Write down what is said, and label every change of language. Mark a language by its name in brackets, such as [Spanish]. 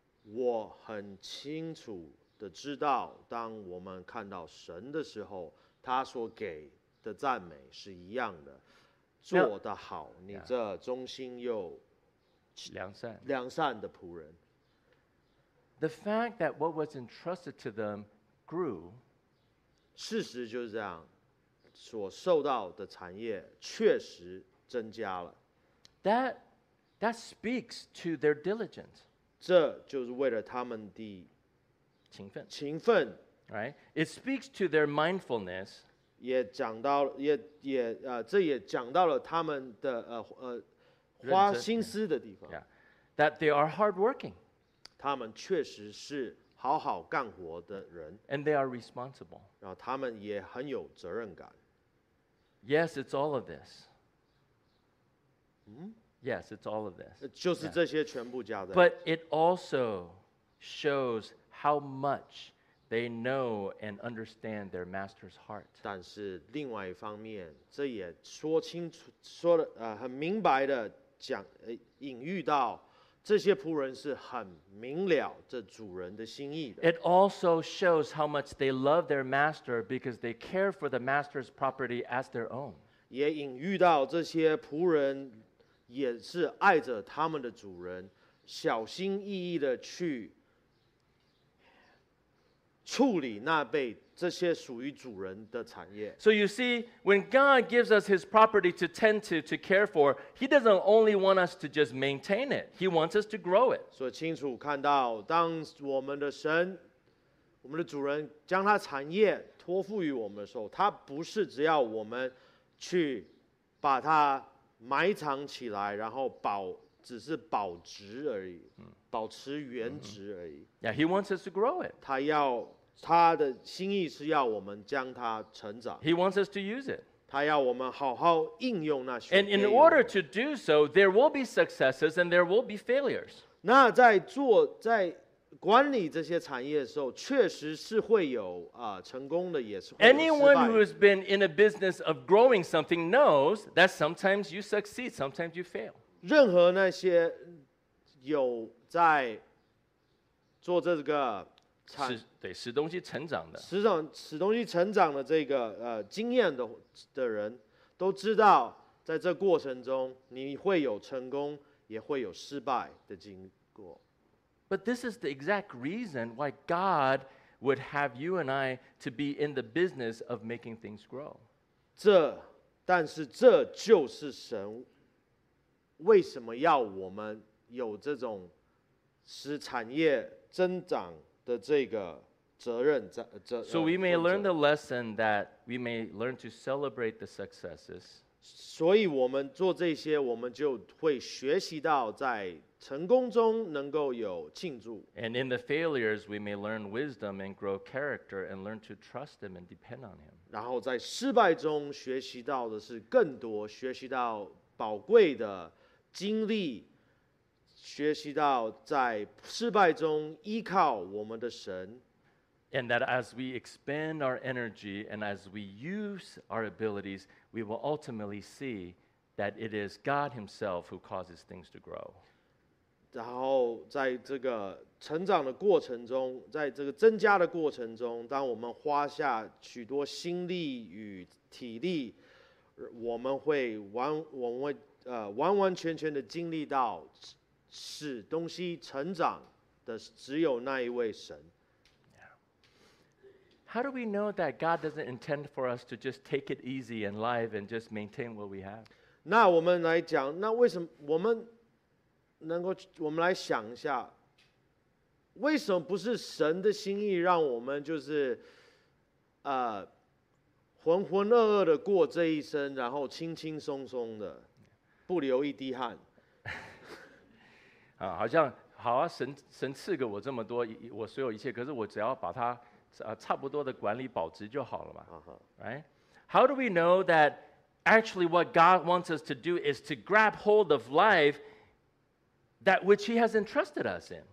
[Chinese] 我很清楚的知道，当我们看到神的时候，他所给的赞美是一样的。做得好，你这忠心又良善的仆人。 [English] The fact that what was entrusted to them grew, [Chinese] 事实就是这样，所受到的产业确实增加了。 [English] That speaks to their diligence. [Chinese] 这就是为了他们的勤奋。勤奋， [English] right? It speaks to their mindfulness. [Chinese] 也讲到这也讲到了他们的花心思的地方。 [English] Yeah. That they are hardworking. [Chinese] 他们确实是好好干活的人。 [English] And they are responsible. [Chinese] 然后他们也很有责任感。 [English] Yes, it's all of this.、 Mm? Yes, it's all of this. [Chinese] 就是这些全部加在。 [English] Yeah. But it also shows how much. They know and understand their master's heart. [Chinese] 但是另外一方面，这也说清楚，说的很明白的讲，隐喻到这些仆人是很明了这主人的心意的。 [English] It also shows how much they love their master because they care for the master's property as their own. [Chinese] 也隐喻到这些仆人也是爱着他们的主人，小心翼翼的去。处理那被这些属于主人的产业。 [English] So you see, when God gives us His property to tend to care for, He doesn't only want us to just maintain it. He wants us to grow it. [Chinese] 所以清楚看到，当我们的神，我们的主人将他产业托付于我们的时候，他不是只要我们去把它埋藏起来，然后只是保值而已。保持原值而已。 [English] Mm-hmm. Yeah, he wants us to grow it. [Chinese] 他的心意是要我们将它成长。 [English] He wants us to use it. [Chinese] 他要我们好好应用那些。 [English] And in order to do so, there will be successes and there will be failures. [Chinese] 那在管理这些产业的时候，确实是会有成功的，也是会有失败的。 [English] Anyone who has been in a business of growing something knows that sometimes you succeed, sometimes you fail. [Chinese] 任何那些有在做这个使东西成长的使东西成长的这个经验 的人都知道，在这过程中你会有成功也会有失败的经过。 [English] But this is the exact reason why God would have you and I to be in the business of making things grow. [Chinese] 但是这就是神为什么要我们有这种使产业增长的这个责任。 [English] So we may learn the lesson that we may learn to celebrate the successes. [Chinese] 所以我们做这些，我们就会学习到在成功中能够有庆祝。 [English] And in the failures, we may learn wisdom and grow character and learn to trust Him and depend on Him. [Chinese] 然后在失败中学习到的是更多，学习到宝贵的经历。学习到在失败中依靠我们的神。 [English] And that as we expend our energy and as we use our abilities, we will ultimately see that it is God Himself who causes things to grow. [Chinese] 然后在这个成长的过程中，在这个增加的过程中，当我们花下许多心力与体力，完完全全的经历到使东西成长的只有那一位神。 [English] Yeah. How do we know that God doesn't intend for us to just take it easy in life and just maintain what we have? [Chinese] 那我们来讲，那为什么我们能够，我们来想一下，为什么不是神的心意让我们就是，浑浑噩噩的过这一生，然后轻轻松松的，不流一滴汗。啊，好像好啊，神赐给我这么多，我所有一切，可是我只要把它差不多的管理保值就好了嘛。 [English] Right? How do we know that actually what God wants us to do is to grab hold of life that which He has entrusted us in?